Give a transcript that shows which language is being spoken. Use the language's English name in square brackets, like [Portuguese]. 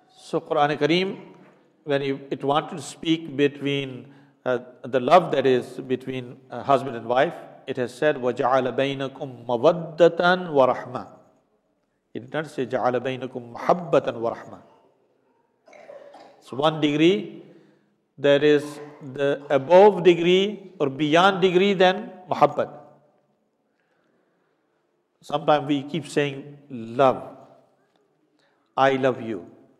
[English] so قرآن کریم, when it wanted to speak between the love that is between husband and wife, it has said [Arabic] وَجَعَلَ بَيْنَكُمْ مَوَدَّةً وَرَحْمَةً. [English] It did not say [Arabic] جَعَلَ بَيْنَكُمْ مَحَبَّةً وَرَحْمَةً. [English] So one degree, there is the above degree or beyond degree than محبت. Sometimes we keep saying love, I love you.